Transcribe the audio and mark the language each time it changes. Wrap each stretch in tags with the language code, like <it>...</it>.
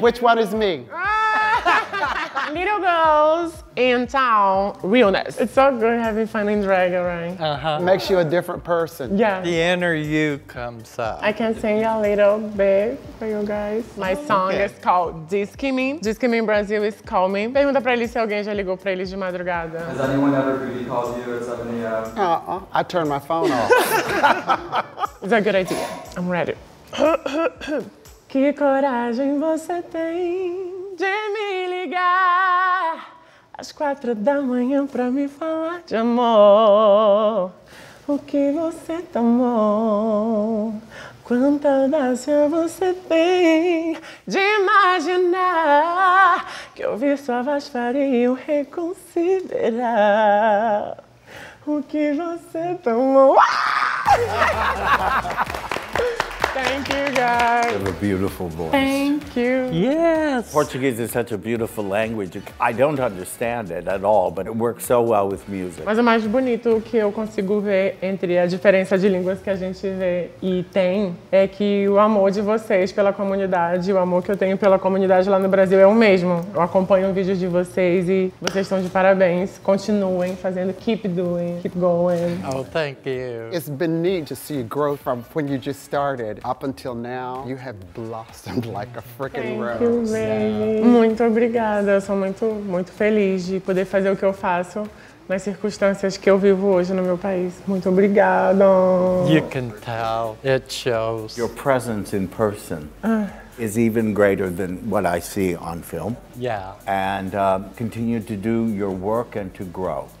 <en>Which one is me? Little girls in town, realness. It's so good having fun in drag, right? Uh-huh. Makes you a different person. Yeah. The inner you comes up. I can sing a little bit for you guys. My song is called Disque Me. Disque Me in Brazil is Call Me.</en> <pt>Pergunta pra ele se alguém já ligou pra ele de madrugada.</pt> <en>Has anyone ever really called you at 7 a.m.? Uh-uh. I turned my phone off. It's a good idea. I'm ready.</en> <pt>Que coragem você tem de me ligar às 4 da manhã pra me falar de amor? O que você tomou? Quanta audácia você tem de imaginar que ouvir sua voz faria eu reconsiderar o que você tomou?</pt> <en>Thank you, guys. You have a beautiful voice. Thank you. Yes. Portuguese is such a beautiful language. I don't understand it at all, but it works so well with music.</en> <pt>Mas o mais bonito que eu consigo ver entre a diferença de línguas que a gente vê e tem é que o amor de vocês pela comunidade, o amor que eu tenho pela comunidade lá no Brasil é o mesmo. Eu acompanho vídeos de vocês e vocês estão de parabéns. Continuem fazendo,</pt> <en>keep doing, keep going. Oh, thank you. It's been neat to see you grow from when you just started. Up until now, you have blossomed like a freaking rose. Thank you, baby. Yeah.</en> <pt>Muito obrigada. Eu sou muito, muito feliz de poder fazer o que eu faço nas circunstâncias que eu vivo hoje no meu país. Muito obrigada.</pt> <en>You can tell. It shows. Your presence in person is even greater than what I see on film. Yeah. And continue to do your work and to grow.</en>